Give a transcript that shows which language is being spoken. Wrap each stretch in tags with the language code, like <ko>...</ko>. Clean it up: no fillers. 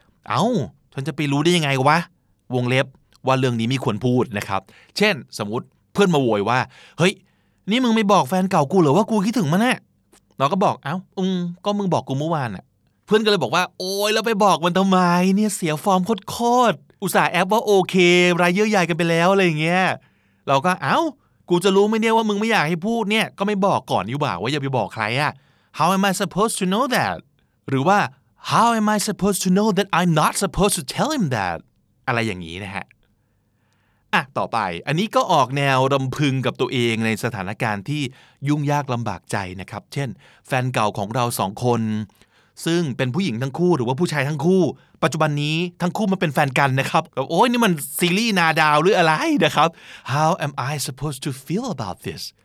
<th>เอ้าฉันจะไปรู้ได้ยังไงวะวงเล็บว่าเรื่องนี้มีควรพูดนะครับเช่นสมมุติเพื่อนมาโวยว่าเฮ้ยนี่มึงไม่บอกแฟนเก่ากูหรือว่ากูคิดถึงมันแน่เราก็บอกเอ้าก็มึงบอกกูเมื่อวานอ่ะเพื่อนก็เลยบอกว่าโอ๊ยแล้วไปบอกมันทำไมเนี่ยเสียฟอร์มโคตรอุตส่าห์แอปว่าโอเครายเยอะใหญ่กันไปแล้วอะไรอย่างเงี้ยเราก็เอ้ากูจะรู้ไม่เนี่ยว่ามึงไม่อยากให้พูดเนี่ยก็ไม่บอกก่อนอยู่บ่าวว่าอย่าไปบอกใครอ่ะ</th> <en>How am I supposed to know that?</en> <th>หรือว่า</th> <en>How am I supposed to know that I'm not supposed to tell him that?</en> <th>อะไรอย่างนี้นะฮะต่อไปอันนี้ก็ออกแนวรำพึงกับตัวเองในสถานการณ์ที่ยุ่งยากลำบากใจนะครับเช่นแฟนเก่าของเราสองคนซึ่งเป็นผู้หญิงทั้งคู่หรือว่าผู้ชายทั้งคู่ปัจจุบันนี้ทั้งคู่มันเป็นแฟนกันนะครับโอ้ยนี่มันซีรีส์นาดาวหรืออะไรนะครับ</th> <en>How am I supposed to feel about this?</en>